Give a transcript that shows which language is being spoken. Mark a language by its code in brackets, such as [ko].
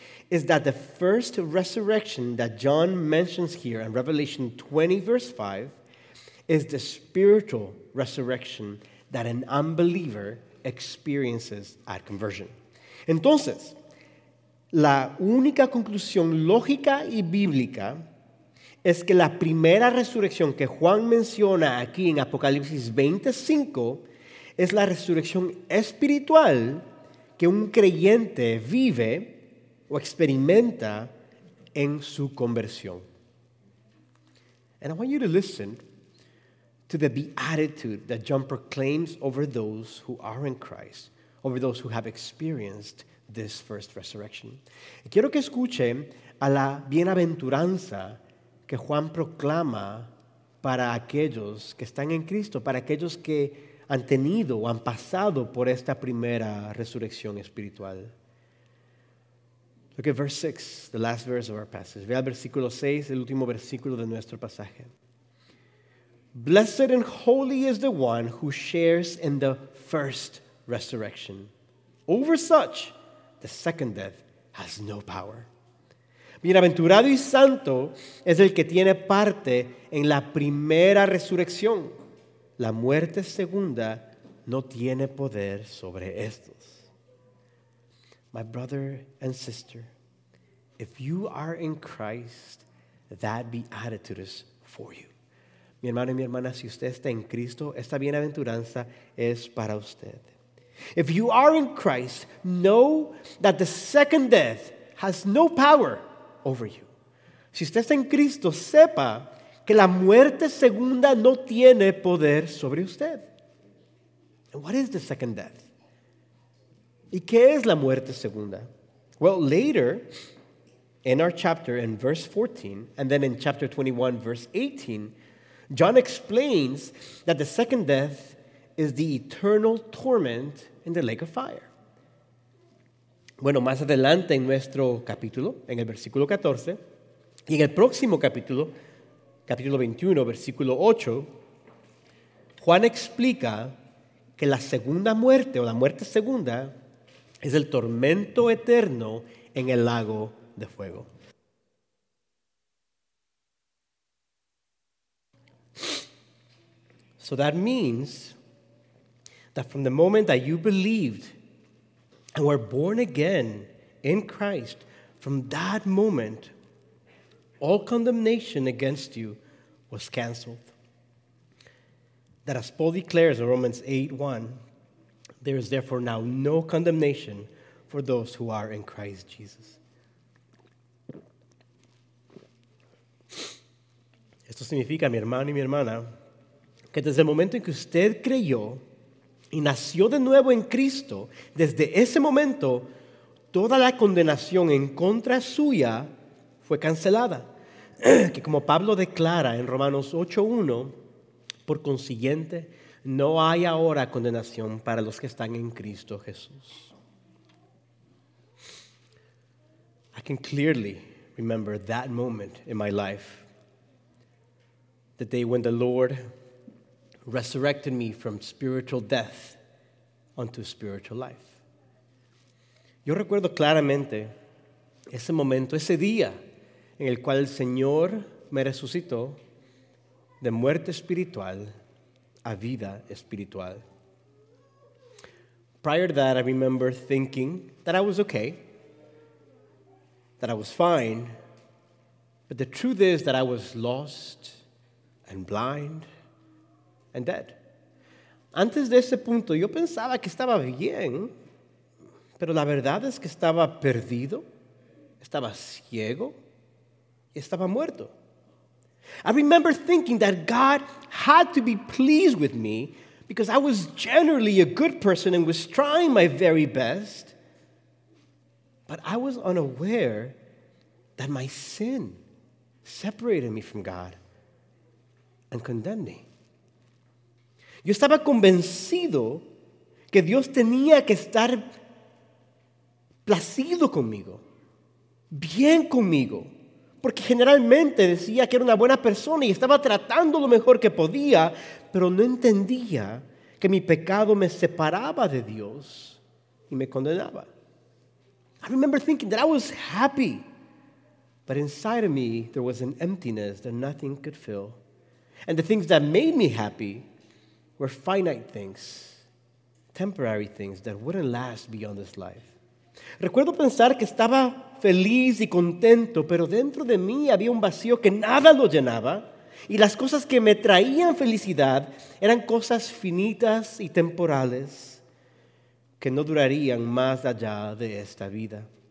[en] is that the first resurrection that John mentions here in Revelation 20, verse 5, is the spiritual resurrection that an unbeliever experiences at conversion. [es] Entonces, la única conclusión lógica y bíblica es que la primera resurrección que Juan menciona aquí en Apocalipsis 25 es la resurrección espiritual que un creyente vive o experimenta en su conversión. [en] And I want you to listen to the beatitude that John proclaims over those who are in Christ, over those who have experienced this first resurrection. [es] Quiero que escuche a la bienaventuranza que Juan proclama para aquellos que están en Cristo, para aquellos que han tenido o han pasado por esta primera resurrección espiritual. [en] Look at verse 6, the last verse of our passage. [es] Ve al versículo 6, el último versículo de nuestro pasaje. [en] Blessed and holy is the one who shares in the first resurrection. Over such, the second death has no power. [es] Bienaventurado y santo es el que tiene parte en la primera resurrección. La muerte segunda no tiene poder sobre estos. [en] My brother and sister, if you are in Christ, that beatitude is for you. [es] Mi hermano y mi hermana, si usted está en Cristo, esta bienaventuranza es para usted. [en] If you are in Christ, know that the second death has no power over you. [es] Si usted está en Cristo, sepa que la muerte segunda no tiene poder sobre usted. [en] And what is the second death? [es] ¿Y qué es la muerte segunda? [en] Well, later in our chapter in verse 14 and then in chapter 21 verse 18, John explains that the second death is the eternal torment in the lake of fire. [es] Bueno, más adelante en nuestro capítulo, en el versículo 14, y en el próximo capítulo, capítulo 21, versículo 8, Juan explica que la segunda muerte, o la muerte segunda, es el tormento eterno en el lago de fuego. [en] So that means that from the moment that you believed and were born again in Christ, from that moment, all condemnation against you was canceled. That as Paul declares in Romans 8:1, there is therefore now no condemnation for those who are in Christ Jesus. [es] Esto significa, mi hermano y mi hermana, que desde el momento en que usted creyó y nació de nuevo en Cristo, desde ese momento, toda la condenación en contra suya fue cancelada. Que como Pablo declara en Romanos 8:1, por consiguiente, no hay ahora condenación para los que están en Cristo Jesús. [en] I can clearly remember that moment in my life, the day when the Lord resurrected me from spiritual death unto spiritual life. [es] Yo recuerdo claramente ese momento, ese día en el cual el Señor me resucitó de muerte espiritual a vida espiritual. [en] Prior to that, I remember thinking that I was okay, that I was fine, but the truth is that I was lost and blind and dead. [es] Antes de ese punto, yo pensaba que estaba bien, pero la verdad es que estaba perdido, estaba ciego, y estaba muerto. [en] I remember thinking that God had to be pleased with me because I was generally a good person and was trying my very best, but I was unaware that my sin separated me from God and condemned me. [es] Yo estaba convencido que Dios tenía que estar placido conmigo, bien conmigo, porque generalmente decía que era una buena persona y estaba tratando lo mejor que podía, pero no entendía que mi pecado me separaba de Dios y me condenaba. [en] I remember thinking that I was happy, but inside of me, there was an emptiness that nothing could fill. And the things that made me happy were finite things, temporary things that wouldn't last beyond this life. [es] Recuerdo pensar que estaba feliz y contento, pero dentro de mí había un vacío que nada lo llenaba, y las cosas que me traían felicidad eran cosas finitas y temporales que no durarían más allá de esta vida.